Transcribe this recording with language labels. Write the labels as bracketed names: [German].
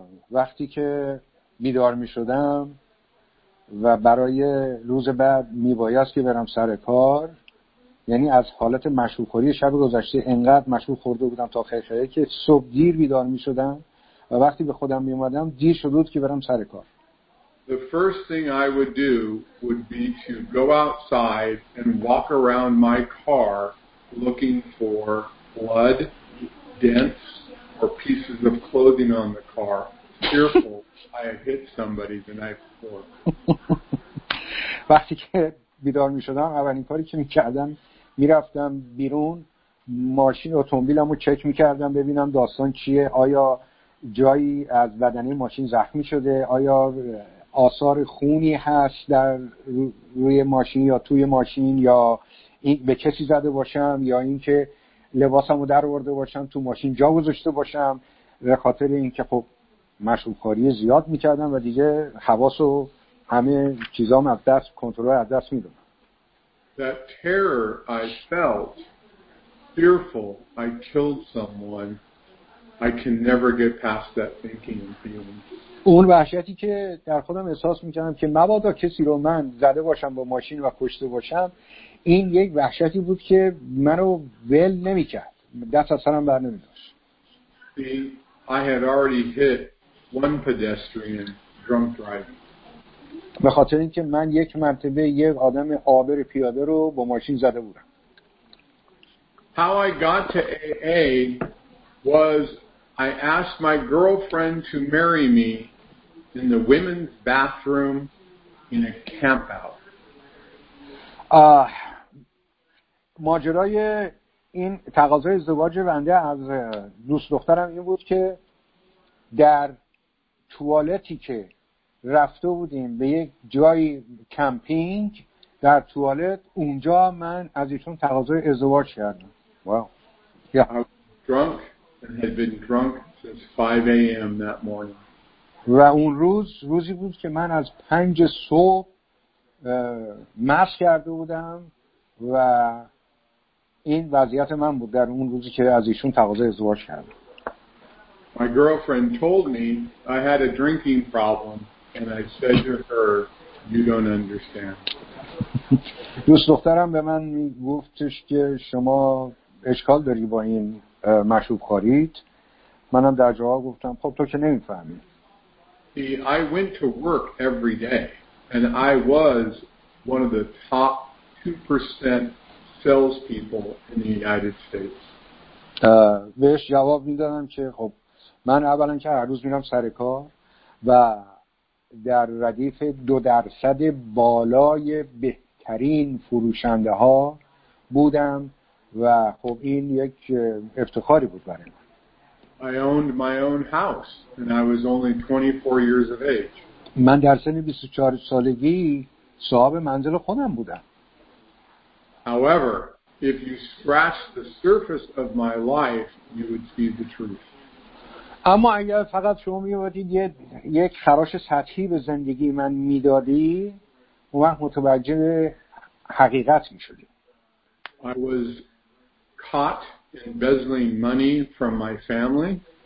[Persian] وقتی که بیدار می شدم و برای روز بعد می بایست که برم سر کار، یعنی از حالت مشروب‌خوری شب گذشته انقدر مشروب خورده بودم تا خیره که صبح دیر بیدار می شدم و وقتی به خودم می اومدم دیر شده بود که برم سر کار. [English] The first thing I would do would be to go outside and walk around my car looking for blood, dents, or pieces of clothing on the car, fearful I had hit somebody the night before. [Persian] وقتی که بیدار می شدم، اولین کاری که می کردم، می رفتم بیرون، ماشین اتومبیلمو چک می کردم ببینم داستان چیه، آیا جایی از بدنه ماشین زخمی شده، آیا آثار خونی هست در روی ماشین یا توی ماشین، یا این به کسی زده باشم، یا اینکه لباسمو در آورده باشم تو ماشین جا گذاشته باشم، به خاطر اینکه خب مشروبخوری زیاد می‌کردم و دیگه حواسو همه چیزام از دست، کنترل از دست می‌دادم. [English] That terror I felt, fearful I killed someone, I can never get past that thinking and feeling. [Persian] اون وحشتی که در خودم احساس میکنم که مبادا کسی رو من زده باشم با ماشین و کشته باشم، این یک وحشتی بود که منو ول نمیکرد، دست از سرم بر نمیداشت. [English] I had already hit one pedestrian drunk driving. [Persian] به خاطر اینکه من یک مرتبه یک آدم عابر پیاده رو با ماشین زده بودم. [English] How I got to AA was I asked my girlfriend to marry me in the women's bathroom in a camp out. [Persian] ماجرای این تقاضای ازدواج بنده از دوست دخترم این بود که در توالتی که رفته بودیم به یک جای کمپینگ، در توالت اونجا من از ایشون تقاضای ازدواج کردم. [English] Drunk and had been drunk since 5 a.m. that morning. [Persian] و اون روز روزی بود که من از 5 صبح مست کرده بودم و این وضعیت من بود در اون روزی که از ایشون تقاضای ازدواج کردم. [English] My girlfriend told me I had a drinking problem and I said to her, you don't understand. [Persian] دوست دخترم به من گفتش که شما اشکال داری با این مشروب خورید. منم در جواب گفتم خب تو که نمیفهمی. [English] I went to work every day and I was one of the top 2% sales people in the United States. [Persian] بهش جواب میدادم که خب من اولا که هر روز میرم سر کار و در ردیف 2% بالای بهترین فروشنده ها بودم و خب این یک افتخاری بود برای من. [English] I owned my own house and I was only 24 years of age. [Persian] من در سن 24 سالگی صاحب منزل خودم بودم. [English] However, if you scratch the surface of my life, you would see the truth. [Persian] اما اگر فقط شما می‌وادید یک خراش سطحی به زندگی من می‌دادی، اون وقت متوجه حقیقت می‌شدید. [English] I was caught embezzling money from my family.